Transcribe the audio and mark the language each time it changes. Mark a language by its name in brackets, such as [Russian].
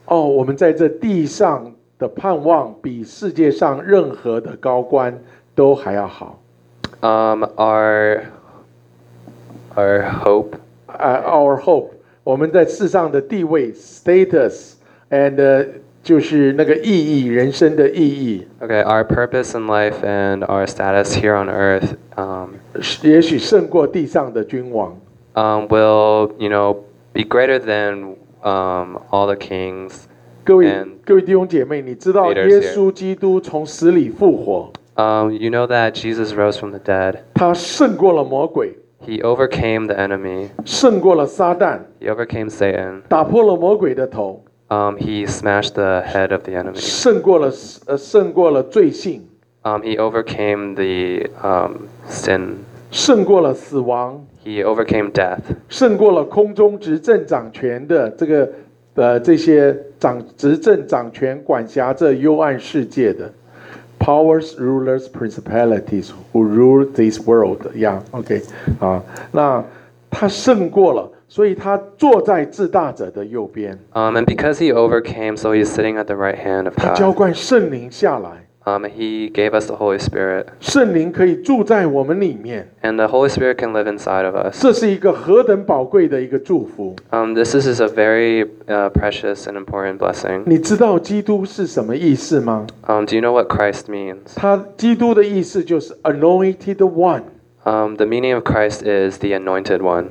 [Chinese] 我们在这地上的盼望比世界上任何的高官都还要好。 [English] Our hope. Our hope. [Chinese] 我们在世上的地位 [English] status and. [Chinese] 就是那个意义，人生的意义。 [English] Okay, our purpose in life and our status here on earth, [Chinese] 也许胜过地上的君王。 [English] Will you know be greater than all the kings? [Chinese] 各位弟兄姐妹，你知道耶稣基督从死里复活。 [English] You know that Jesus rose from the dead. [Chinese] 他胜过了魔鬼。 [English] He overcame the enemy. [Chinese] 胜过了撒旦。 [English] He overcame Satan. [Chinese] 打破了魔鬼的头。 [English] He smashed the head of the enemy. [Chinese] 胜过了罪性。 [English] He overcame the sin. [Chinese] 胜过了死亡。 [English] He overcame death. [Chinese] 胜过了空中执政掌权的这个这些执政掌权管辖着幽暗世界的 [English] powers, rulers, principalities who rule this world. Yeah, okay. [Chinese] 那他胜过了。所以他坐在至大者的右边。 [English] And because he overcame, so he's sitting at the right hand of God. [Chinese] 他浇灌圣灵下来。 [English] He gave us the Holy Spirit. [Chinese] 圣灵可以住在我们里面。 [English] And the Holy Spirit can live inside of us. [Chinese] 这是一个何等宝贵的一个祝福。 [English] This is a very precious and important blessing. [Chinese] 你知道基督是什么意思吗？ [English] Do you know what Christ means? [Chinese] 他基督的意思就是 [English] anointed one. The meaning of Christ is the anointed one.